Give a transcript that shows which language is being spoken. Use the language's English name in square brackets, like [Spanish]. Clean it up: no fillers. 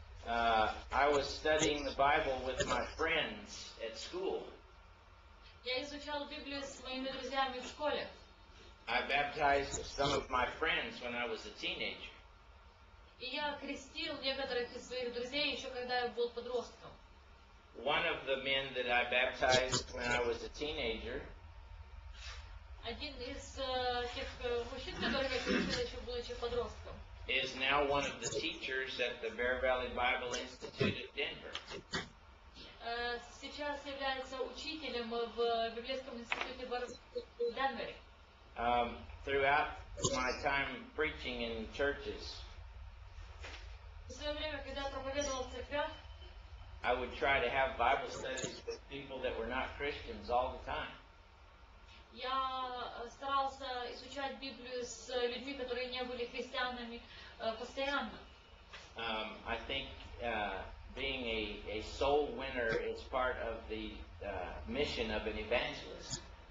[English] I was studying the Bible with my friends at school. [Russian] Я изучал Библию с моими друзьями в школе. [English] I baptized some of my friends when I was a teenager. [Russian] И я крестил некоторых из своих друзей еще когда я был подростком. [English] One of the men that I baptized when I was a teenager. [Russian] Один из тех мужчин, которых я крестил еще будучи подростком. [English] Is now one of the teachers at the Bear Valley Bible Institute of Denver. [Russian] Сейчас является учителем в библейском институте в Денвере. [English] Throughout my time preaching in churches. [Russian] В свое время, когда я проповедовал в церквях, [English] I would try to have Bible studies with people that were not Christians all the time. [Russian] Я старался изучать Библию с людьми, которые не были христианами, постоянно. [English] I think being a soul winner is part of the mission of an evangelist.